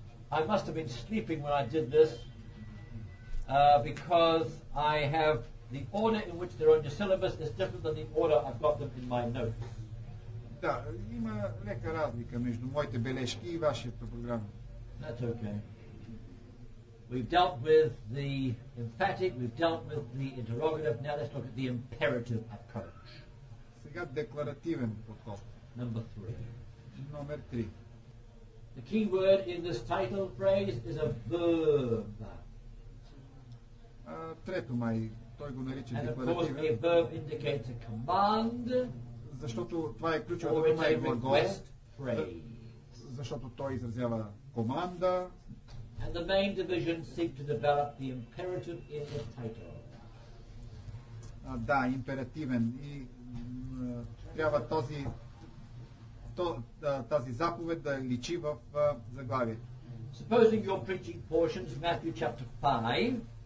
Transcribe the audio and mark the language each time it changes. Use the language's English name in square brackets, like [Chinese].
[English] I must have been sleeping when I did this. Because I have the order in which they're on your syllabus is different than the order I've got them in my notes. [Bulgarian] Да, има лека разлика между моите бележки и вашето програма. [English] That's okay. We've dealt with the emphatic, we've dealt with the interrogative, now let's look at the imperative approach. [Bulgarian] Сега декларативен подход. [English] Number three. [Bulgarian] Номер три. [English] The key word in this title phrase is a verb. [Bulgarian] Трето май, той го нарича декларативен. [English] And of course a verb indicates a command. [Bulgarian] Защото това е ключовото дума и глагол. [English] Request phrase. [Bulgarian] Защото той изразява команда. [English] And the main division seek to develop the imperative in the title. [Bulgarian] Да, императивен. И трябва този тази заповед да личи в заглавието. [English] Supposing you're preaching portions of Matthew chapter 5.